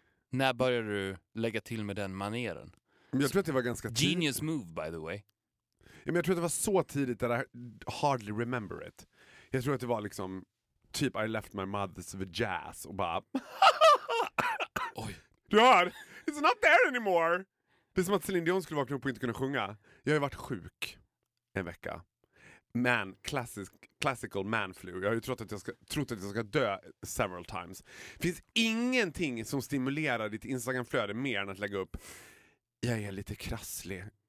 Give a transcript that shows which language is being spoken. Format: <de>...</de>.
<sv>När började du lägga till med den maneren? Men jag tror att det var ganska tidigt.</sv> <en>Genius move, by the way.</en> <sv>Ja, men jag tror att det var så tidigt</sv> <en>that I hardly remember it.</en> <sv>Jag tror att det var liksom typ</sv> <en>I left my mother's vajazz</en> <sv>och bara oj. Du hör,</sv> <en>it's not there anymore.</en> <sv>Det är som att Celine Dion skulle vakna upp och inte kunna sjunga. Jag har ju varit sjuk en vecka.</sv> <en>Man, classical man flu.</en> <sv>Jag har ju trott att jag ska dö</sv> <en>several times.</en> <sv>Finns ingenting som stimulerar ditt Instagram-flöde mer än att lägga upp jag är lite krasslig.</sv>